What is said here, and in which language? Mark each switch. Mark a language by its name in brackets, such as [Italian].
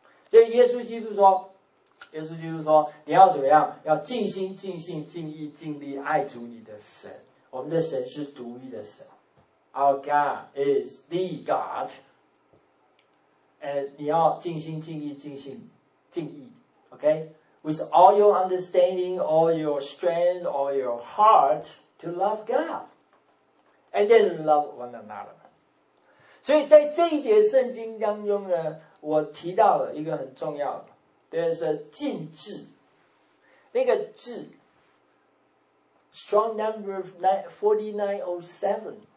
[Chinese] 所以耶稣基督说，你要怎么样？要尽心、尽性、尽意、尽力爱主你的神。我们的神是独一的神。 [English] Our God is the God. [Chinese] 你要尽心、尽力、尽性、尽意 OK? [English] With all your understanding, all your strength, all your heart to love God. And then love one another. [Chinese] 所以在这一节圣经当中呢，我提到了一个很重要的，就是禁制。那个制 [English] Strong number of 4907.